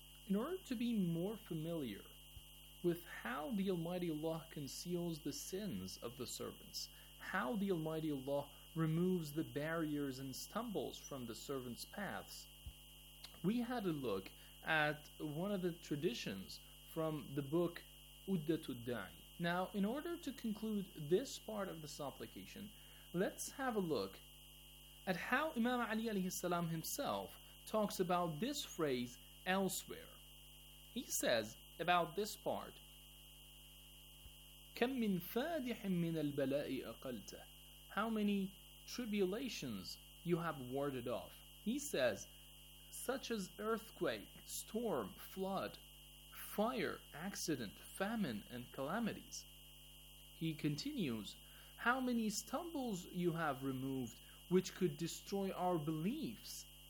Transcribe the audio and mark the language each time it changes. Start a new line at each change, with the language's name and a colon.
English: In order to be more familiar with how the Almighty Allah conceals the sins of the servants, how the Almighty Allah removes the barriers and stumbles from the servants' paths, we had a look at one of the traditions from the book Uddatul Da'i. Now, in order to conclude this part of the supplication, let's have a look at how Imam Ali alayhi salam himself talks about this phrase elsewhere. He says about this part,
Arabic: كَمْ مِنْ فَادِحٍ مِنَ الْبَلَاءِ أَقَلْتَ.
English: How many tribulations you have warded off. He says, such as earthquake, storm, flood, fire, accident, famine, and calamities. He continues, how many stumbles you have removed which could destroy our beliefs.